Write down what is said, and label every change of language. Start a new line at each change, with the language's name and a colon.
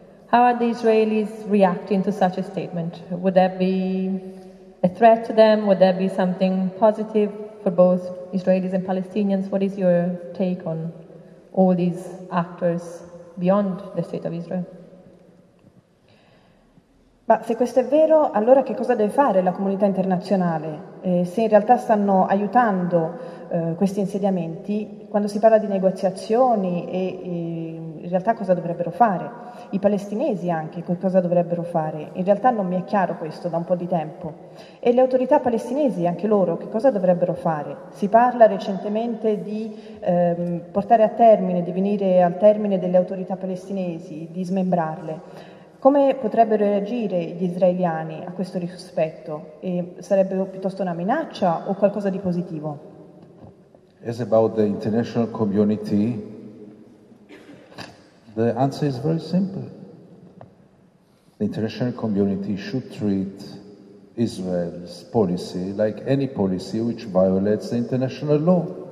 English: How are the Israelis reacting to such a statement? Would that be a threat to them? Would that be something positive for both Israelis and Palestinians? What is your take on all these actors beyond the state of Israel?
Italian: Ma se questo è vero, allora che cosa deve fare la comunità internazionale? Se in realtà stanno aiutando questi insediamenti, quando si parla di negoziazioni, in realtà cosa dovrebbero fare? I palestinesi anche, cosa dovrebbero fare? In realtà non mi è chiaro questo da un po' di tempo. E le autorità palestinesi, anche loro, che cosa dovrebbero fare? Si parla recentemente di portare a termine, di venire al termine delle autorità palestinesi, di smembrarle. Come potrebbero reagire gli israeliani a questo rispetto? E sarebbe piuttosto una minaccia o qualcosa di positivo?
English: As about the international community, the answer is very simple. The international community should treat Israel's policy like any policy which violates the international law.